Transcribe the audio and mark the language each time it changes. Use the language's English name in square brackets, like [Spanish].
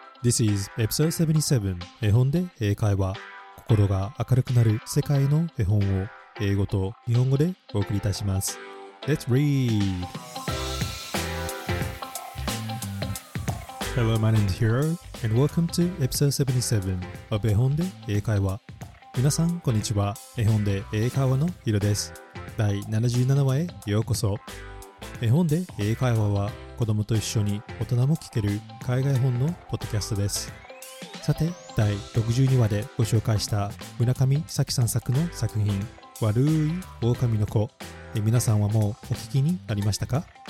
[English] This is episode 77 [Japanese] 絵本で英会話。心が明るくなる世界の絵本を英語と日本語でお送りいたします。 [English] Let's read! Hello, my name is Hiro and welcome to episode 77 of 絵本で英会話。 [Japanese] 皆さんこんにちは。絵本で英会話のヒロです。第77話へようこそ。絵本で英会話は子供と一緒に大人も聞ける海外本のポッドキャストです。さて、第62話でご紹介した村上咲希さん作の作品悪い狼の子、皆さんはもうお聞きになりましたか？